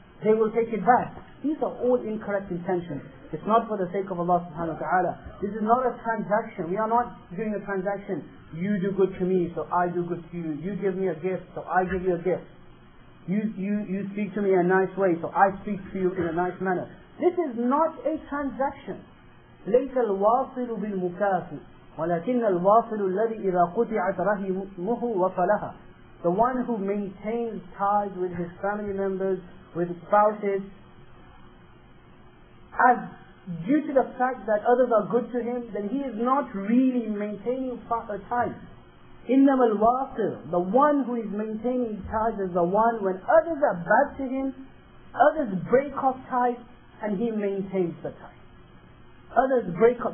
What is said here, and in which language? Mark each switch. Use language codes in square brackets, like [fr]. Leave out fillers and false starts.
[en] They will take it back. These are all incorrect intentions. It's not for the sake of Allah subhanahu wa ta'ala. This is not a transaction. We are not doing a transaction. You do good to me, so I do good to you. You give me a gift, so I give you a gift. You speak to me in a nice way, so I speak to you in a nice manner. This is not a transaction. [ar] ليس الواصل بالمكافئ ولكن الواصل الذي إذا قطعت رحمه وفلها. [en] The one who maintains ties with his family members, with his spouses, as due to the fact that others are good to him, then he is not really maintaining ties. [ar] إنما الواصل, [en] the one who is maintaining ties, is the one when others are bad to him, others break off ties, and he maintains the tie. Others break off.